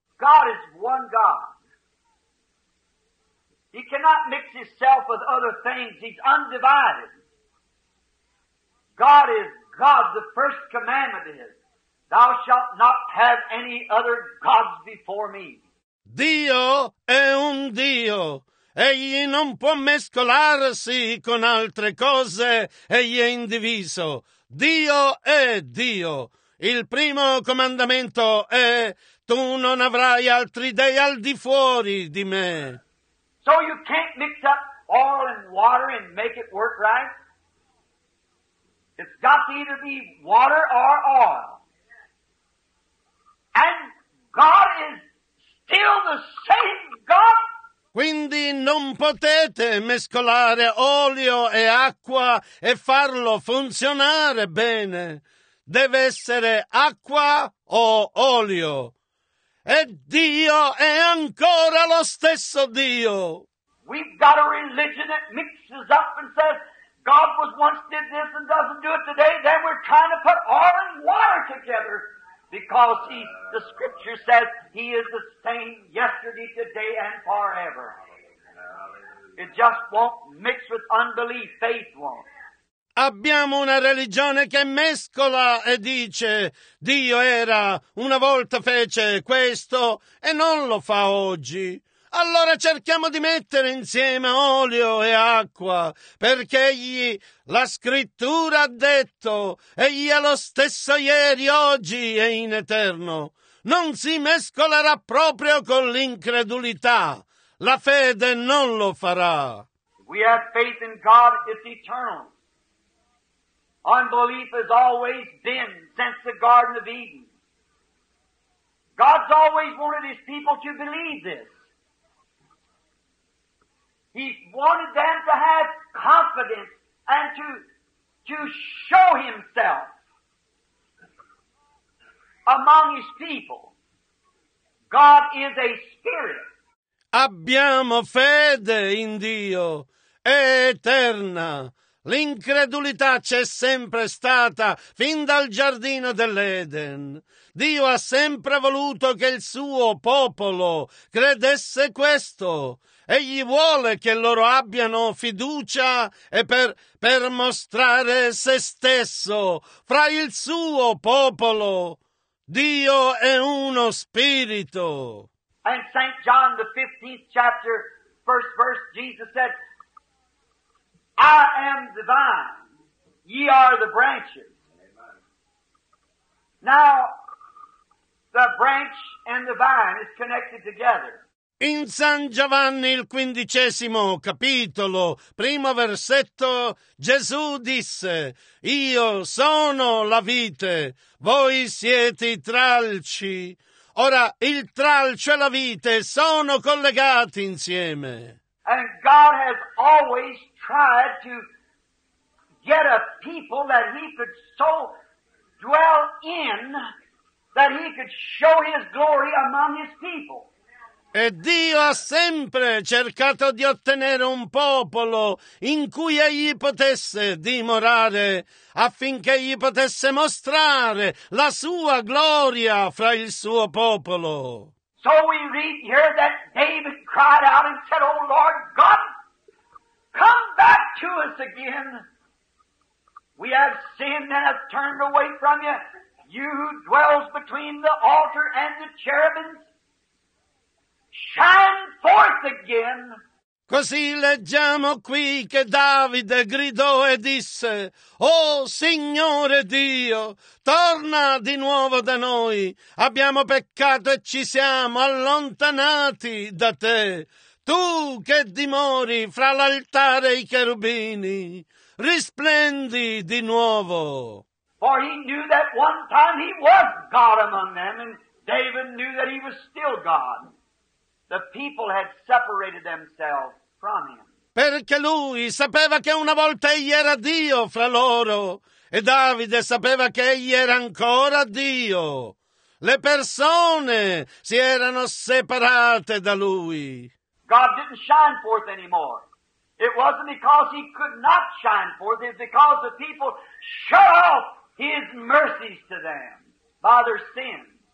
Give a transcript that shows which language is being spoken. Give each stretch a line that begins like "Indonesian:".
English: God is one God. He cannot mix himself with other things. He's undivided. God is God. The first commandment is, thou shalt not have any other gods before me.
Italian: Dio è un Dio. Egli non può mescolarsi con altre cose, egli è indiviso. Dio è Dio. Il primo comandamento è, tu non avrai altri dei al di fuori di me.
English: So you can't mix up oil and water and make it work right? It's got to either be water or oil. And God is still the same God.
Italian: Quindi non potete mescolare olio e acqua e farlo funzionare bene. Deve essere acqua o olio. E Dio è ancora lo stesso Dio.
English: We've got a religion that mixes up and says God was once did this and doesn't do it today. Then we're trying to put oil and water together. Because the scripture says he is the same yesterday, today, and forever. It just won't mix with unbelief. Faith won't.
Italian: Abbiamo una religione che mescola e dice Dio era, una volta fece questo e non lo fa oggi. Allora cerchiamo di mettere insieme olio e acqua, perché egli, la scrittura ha detto, egli è lo stesso ieri, oggi e in eterno. Non si mescolerà proprio con l'incredulità. La fede non lo farà.
English: We have faith in God, it's eternal. Unbelief has always been since the Garden of Eden. God's always wanted his people to believe this. He wanted them to have confidence and to show himself among his people. God is a spirit.
Italian: Abbiamo fede in Dio, è eterna. L'incredulità c'è sempre stata, fin dal giardino dell'Eden. Dio ha sempre voluto che il suo popolo credesse questo. Egli vuole che loro abbiano fiducia e per mostrare se stesso fra il suo popolo. Dio è uno spirito.
English: And St. John, the 15th chapter, first verse, Jesus said, I am the vine, ye are the branches. Amen. Now, the branch and the vine is connected together.
Italian: In San Giovanni, il 15° capitolo, primo versetto, Gesù disse, io sono la vite, voi siete i tralci. Ora, il tralcio e la vite sono collegati insieme.
English: And God has always tried to get a people that he could so dwell in that he could show his glory among his people.
Italian: E Dio ha sempre cercato di ottenere un popolo in cui egli potesse dimorare affinché egli potesse mostrare la sua gloria fra il suo popolo.
English: So we read here that David cried out and said, oh Lord God, come back to us again. We have sinned and have turned away from you, you who dwells between the altar and the cherubims. Shine forth again.
Italian: Così leggiamo qui che Davide gridò e disse, oh Signore Dio, torna di nuovo da noi. Abbiamo peccato e ci siamo allontanati da te. Tu che dimori fra l'altare e i cherubini, risplendi di nuovo.
English: For he knew that one time he was God among them, and David knew that he was still God. The people had separated themselves from him.
Italian: Perché lui sapeva che una volta egli era Dio fra loro, e Davide sapeva che egli era ancora Dio. Le persone si erano separate da lui.
English: God didn't shine forth anymore. It wasn't because he could not shine forth, it's because the people shut off his mercies to them by their sins.